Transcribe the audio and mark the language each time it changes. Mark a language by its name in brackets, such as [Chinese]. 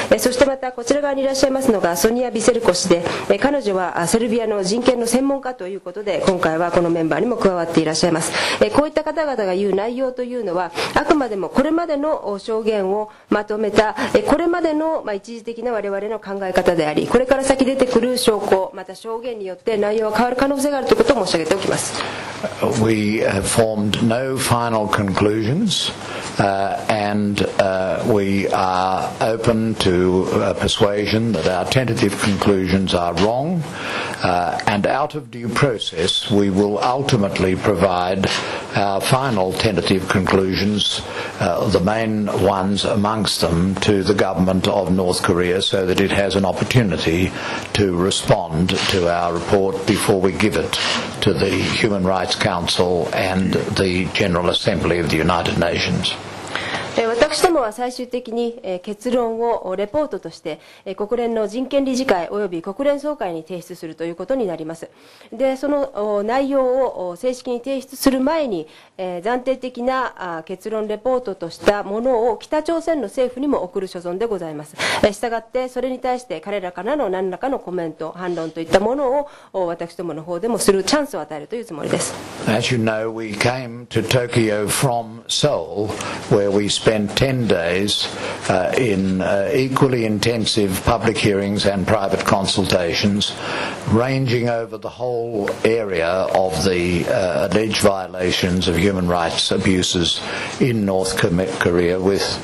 [Japanese] そしてまたこちら側にいらっしゃいますのがソニア・ビセルコ氏で、彼女はセルビアの人権の専門家ということで、今回はこのメンバーにも加わっていらっしゃいます。こういった方々が言う内容というのはあくまでもこれまでの証言をまとめた、これまでの一時的な我々の考え方であり、これから先出てくる証拠また証言によって内容は変わる可能性があるということを申し上げておきます。 [English] We have formed no final conclusions and we are open to persuasion that our tentative conclusions are wrong and out of due process we will ultimately provide our final tentativeconclusions, the main ones amongst them, to the government of North Korea so that it has an opportunity to respond to our report before we give it to the Human Rights Council and the General Assembly of the United Nations. [Japanese] 私どもは最終的に結論をレポートとして国連の人権理事会および国連総会に提出するということになります。でその内容を正式に提出する前に暫定的な結論レポートとしたものを北朝鮮の政府にも送る所存でございます。したがってそれに対して彼らからの何らかのコメント反論といったものを私どもの方でもするチャンスを与えるというつもりです。 [English] As you know, we came to Tokyo from Seoul where we spent 10 days equally intensive public hearings and private consultations ranging over the whole area of the alleged violations of human rights abuses in North Korea with